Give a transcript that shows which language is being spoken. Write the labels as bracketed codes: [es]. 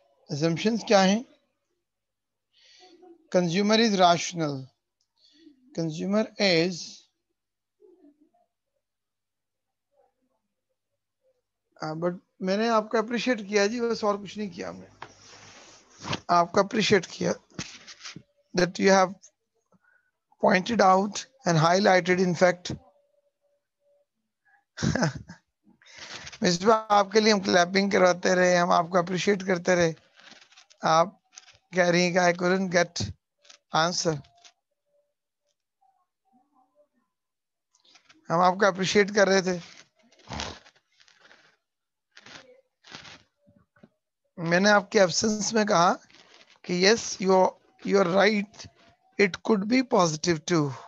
[hi] Assumptions क्या हैं? [en] Consumer is rational. Consumer is [hi] but मैंने आपको appreciate किया जी, बस और कुछ नहीं किया मैं. आपको appreciate किया [en] that you have pointed out and highlighted in fact. [hi] Mister आपके लिए हम clapping करवाते रहे, हम आपको appreciate करते रहे. आप कह रही हैं कि [en] I couldn't get answer. [hi] हम आपको अप्रिशिएट कर रहे थे, मैंने आपके एब्सेंस में कहा कि [en] Yes you are right, it could be positive too.